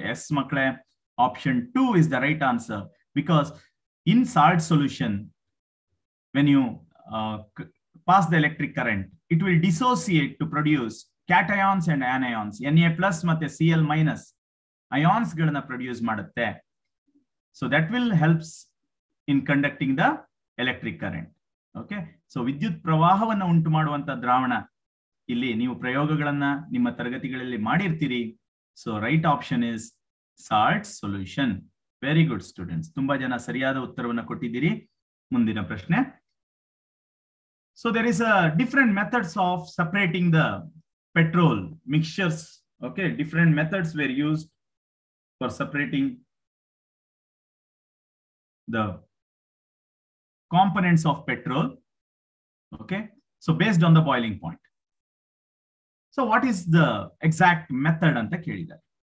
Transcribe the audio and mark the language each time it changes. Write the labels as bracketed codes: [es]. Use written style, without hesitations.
[en] Yes makle, option 2 is the right answer, because in salt solution when you pass the electric current it will dissociate to produce cations and anions, Na plus matte Cl minus [kn] ions ಗಳನ್ನ produce ಮಾಡುತ್ತೆ. [en] So that will helps in conducting the electric current. [kn] Okay, so ವಿದ್ಯುತ್ ಪ್ರವಾಹವನ್ನು ಉಂಟು ಮಾಡುವಂತ ದ್ರಾವಣ, ಇಲ್ಲಿ ನೀವು ಪ್ರಯೋಗಗಳನ್ನ ನಿಮ್ಮ ತರಗತಿಗಳಲ್ಲಿ ಮಾಡಿರ್ತೀರಿ. [en] So right option is salt solution. Very good students, [kn] ತುಂಬಾ ಜನ ಸರಿಯಾದ ಉತ್ತರವನ್ನು ಕೊಟ್ಟಿದ್ದೀರಿ. ಮುಂದಿನ ಪ್ರಶ್ನೆ. [en] So there is a different methods of separating the petrol mixtures. Okay, different methods where use for separating the components of petrol. Okay, so based on the boiling point, so what is the exact method [kn] anta kelidare.